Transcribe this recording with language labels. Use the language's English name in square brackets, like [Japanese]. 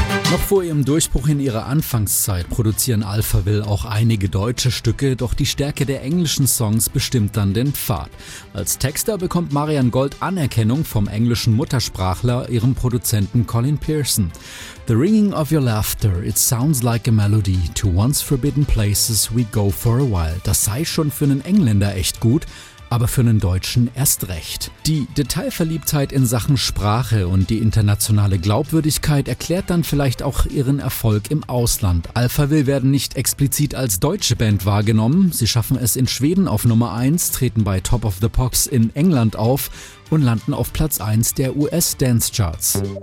[German] Noch vor ihrem Durchbruch in ihrer Anfangszeit produzieren Alphaville auch einige deutsche Stücke, doch die Stärke der englischen Songs bestimmt dann den Pfad. Als Texter bekommt Marianne Gold Anerkennung vom englischen Muttersprachler, ihrem Produzenten Colin Pearson. [English] The ringing of your laughter, it sounds like a melody to once forbidden places we go for a while. [German] Das sei schon für einen Engländer echt gut. Aber für einen Deutschen erst recht. Die Detailverliebtheit in Sachen Sprache und die internationale Glaubwürdigkeit erklärt dann vielleicht auch ihren Erfolg im Ausland. Alphaville werden nicht explizit als deutsche Band wahrgenommen. Sie schaffen es in Schweden auf Nummer 1, treten bei Top of the Pops in England auf und landen auf Platz 1 der US-Dance-Charts.